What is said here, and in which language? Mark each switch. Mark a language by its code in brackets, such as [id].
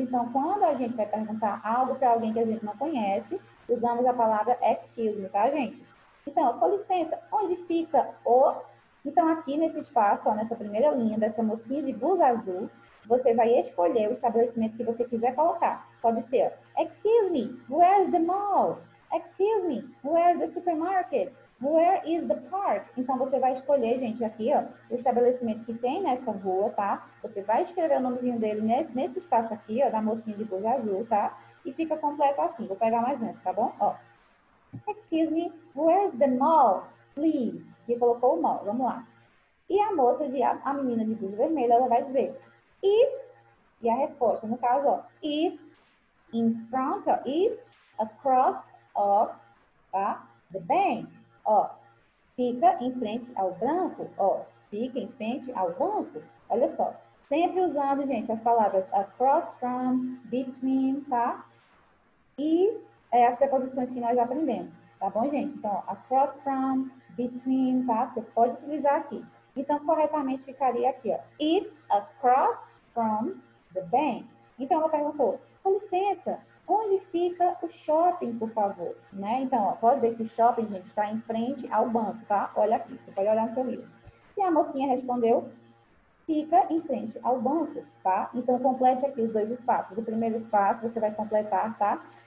[pt] Então, quando a gente vai perguntar algo para alguém que a gente não conhece, usamos a palavra excuse me, tá, gente? Então, com licença, onde fica o... Então, aqui nesse espaço, ó, nessa primeira linha dessa mocinha de blusa azul, você vai escolher o estabelecimento que você quiser colocar. Pode ser, [en] excuse me, where's the mall? Excuse me, where's the supermarket? Where is the park? [pt] Então, você vai escolher, gente, aqui, ó, o estabelecimento que tem nessa rua, tá? Você vai escrever o nomezinho dele nesse espaço aqui, ó, da mocinha de blusa azul, tá? E fica completo assim. Vou pegar mais um, tá bom? Ó. [en] Excuse me, where's the mall, please? [pt] E colocou o mall, vamos lá. E a moça, a menina de blusa vermelha, ela vai dizer, it's, e a resposta, no caso, ó, [en] it's in front, ó, it's across of, tá, the bank. [pt] Ó, fica em frente ao branco, ó, fica em frente ao banco. Olha só, sempre usando, gente, as palavras across from, between, tá? E é, as preposições que nós aprendemos, tá bom, gente? Então, ó, across from, between, tá? Você pode utilizar aqui. Então, corretamente ficaria aqui, ó. [en] It's across from the bank. [pt] Então, ela perguntou, com licença, onde fica o shopping, por favor? Né? Então, ó, pode ver que o shopping, gente, está em frente ao banco, tá? Olha aqui, você pode olhar no seu livro. E a mocinha respondeu, fica em frente ao banco, tá? Então, complete aqui os dois espaços. O primeiro espaço você vai completar, tá?